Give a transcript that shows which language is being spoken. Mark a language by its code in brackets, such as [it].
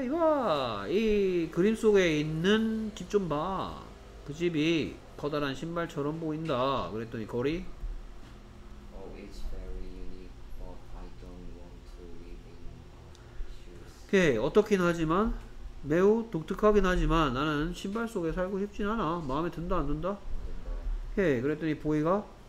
[ko] 에이, 이거 이 그림 속에 있는 집 좀 봐. 그 집이 커다란 신발처럼 보인다. 그랬더니 거리. [en] Oh, it's very unique, but I don't want to live in shoes. [ko] 오케이, 어떻긴 하지만 매우 독특하긴 하지만 나는 신발 속에 살고 싶진 않아. 마음에 든다 안 든다? 오케이, 그랬더니 보이가.